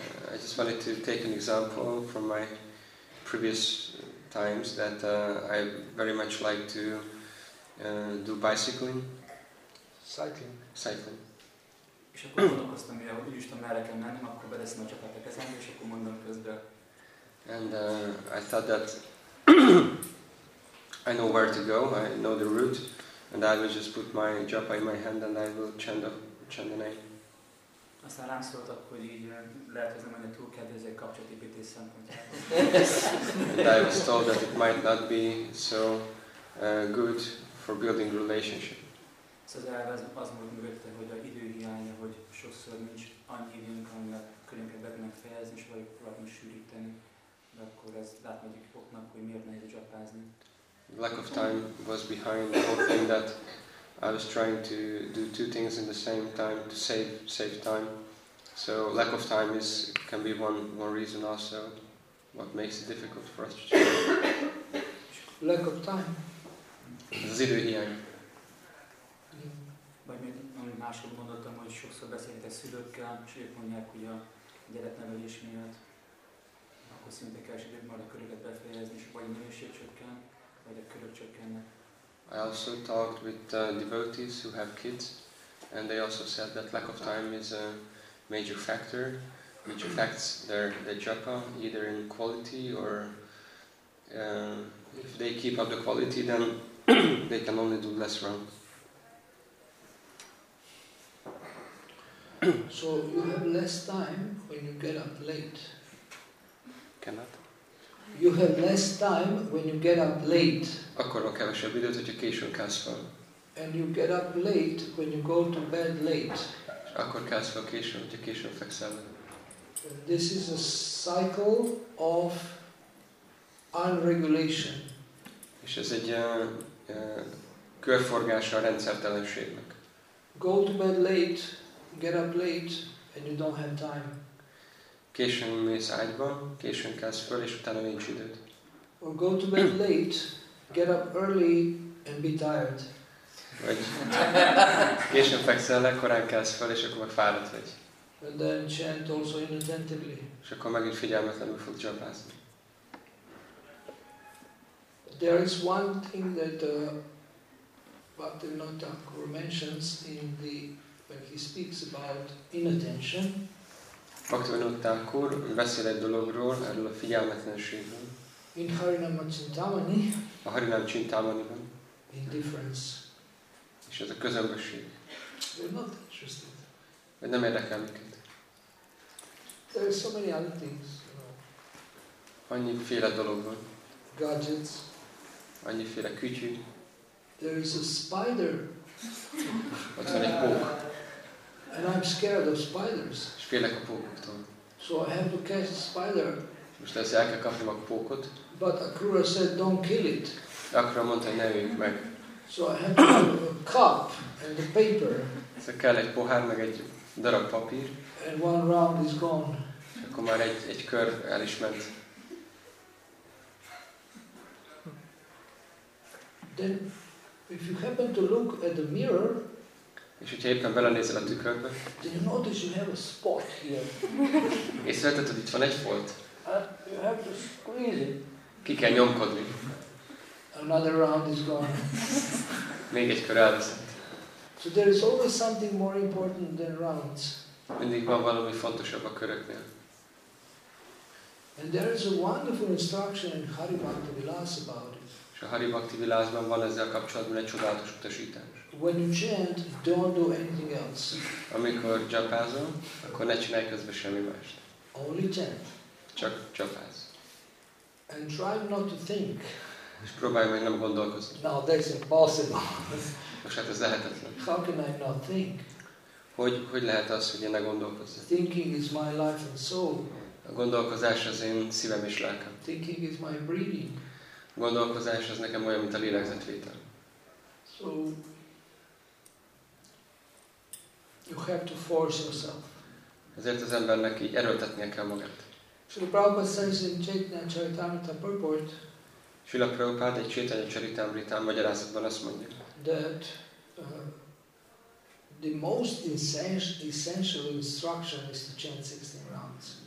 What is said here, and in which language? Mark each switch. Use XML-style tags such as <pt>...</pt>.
<en>I just wanted to take an example from my previous times that I very much like to do bicycling. Cycling.</en> <hu>És akkor gondolkoztam, hogy úgyis tudom merre kell mennem, akkor beleszem a csapat a kezembe, és akkor mondom közben.</hu> <en>And I thought that I know where to go, I know the route, and I will just put my japa in my hand and I will chant the name.</en> <hu>Aztán rám szóltak, hogy így lehet, hogy nem ennyi túl kedvező egy kapcsolatépítés szempontjából.</hu> <en>And I was told that it might not be so good for building relationship.</en> <hu>Szóval az volt mögötte, hogy a idő hiánya, hogy sokszor nincs annyi időnk, aminek különbözőt be tudnak fejezni, és vagy próbálunk sűríteni. De akkor ez látmányik oknak, hogy miért nehéz japázni.</hu> <en>Lack of time was behind the whole thing that I was trying to do two things in the same time to save time. So lack of time is can be one reason also what makes it difficult for us to do. Lack of time.</en> <hu>Az idő hiány. Vagy még amit másról gondoltam, hogy sokszor beszéltek szülőkkel, és ők mondják, hogy a gyereknevelés miatt akkor szinte kell időt majd a körüket befejezni, és vagy a minőség csökken, vagy a körök csökkennek.</hu> <en>I also talked with devotees who have kids, and they also said that lack of time is a major factor which affects their japa, either in quality or if they keep up the quality, then they can only do less wrong. So you have less time when you get up late. Cannot. You have less time when you get up late.</en> <hu>Akkor a kevesebb időt, hogy a későn kelsz fel.</hu> <en>And you get up late when you go to bed late.</en> <hu>Akkor kelsz fel későn, hogy a későn fekszel.</hu> <en>This is a cycle of unregulation.</en> <hu>És ez egy körforgása a rendszertelenségnek.</hu> <en>Go to bed late, get up late, and you don't have time.</en> <hu>Későn mész ágyba, későn kelsz föl, és utána nincs időd.</hu> <en>Or go to bed late, get up early and be tired.</en> <hu>Vagy későn fekszel le, korán kelsz föl, és akkor meg fáradt vagy.</hu> <en>And then chant also inattentively.</en> <hu>És akkor megint figyelmetlenül fog jobbázni.</hu> <en>There is one thing that Bhaktivinoda Thakur mentions in the when he speaks about inattention.</en> <hu>Bhaktivinoda Thakur beszél egy dologról, erről a figyelmetlenségről.</hu> <en>In Harinama Chintamani.</en> <hu>A Harinama Chintamaniban.</hu> <en>Indifference.</en> <hu>És ez a közömbösség.</hu> <en>We're not interested.</en> <hu>Vagy nem érdekel minket.</hu> <en>There are so many other things.</en> <hu>Annyiféle dolog van.</hu> <en>Gadgets.</en> <hu>Annyiféle kütyű.</hu> <en>There is a spider.</en> <hu>Ott van egy pók.</hu> <en>And I'm scared of spiders.</en> <hu>És félek a pókoktól.</hu> <en>So I have to catch a spider.</en> <hu>Most lesz, el kell kapnom a pókot.</hu> <en>But Akura said, don't kill it.</en> <hu>Akura mondta, hogy ne üljük meg.</hu> <en>So I have to have a cup and a paper.</en> <hu>Szóval kell egy pohár, meg egy darab papír.</hu> <en>And one round is gone.</en> <hu>És akkor már egy kör el is ment.</hu> <en>Then, if you happen to look at the mirror,</en> <hu>és hogyha éppen belenézel a tükörbe,</hu> <en>then you notice you have a spot here.</en> <hu>Észrevetted, hogy itt van egy folt.</hu> <en>You have to squeeze it.</en> <hu>Ki kell nyomkodni.</hu> <en>Another round is gone.</en> <hu>Még egy kör elveszett.</hu> <en>So there is always something more important than rounds.</en> <hu>Mindig van valami fontosabb a köröknél.</hu> <en>And there is a wonderful instruction in Hari Bhakti Vilas about it.</en> <hu>A Hari Bhakti Vilásban van ezzel kapcsolatban egy csodálatos utasítás.</hu> <en>When you chant, don't do anything else.</en> <hu>Amikor japázol, akkor ne csinálj közben semmi mást.</hu> <en>Only chant.</en> <hu>Csak japáz.</hu> <en>And try not to think.</en> <hu>És próbálj meg nem gondolkozni.</hu> <en>Now that's impossible.</en> <hu>Most hát ez lehetetlen.</hu> <en>How can I not think?</en> <hu>Hogy lehet az, hogy én ne gondolkozzak?</hu> <en>Thinking is my life and soul.</en> <hu>A gondolkozás az én szívem és lelkem.</hu> <en>Thinking is my breathing.</en> <hu>A gondolkozás az nekem olyan, mint a lélegzetvétel.</hu> <en>So you have to force yourself.</en> <hu>Ezért az embernek így erőltetnie kell magát.</hu> <en>Srila Prabhupada says in Chaitanya Charitamrita purport.</en> <hu>Srila Prabhupada egy Chaitanya Charitamrita magyarázatban azt mondja.</hu> <en>That the most essential instruction is to chant 16 rounds.</en>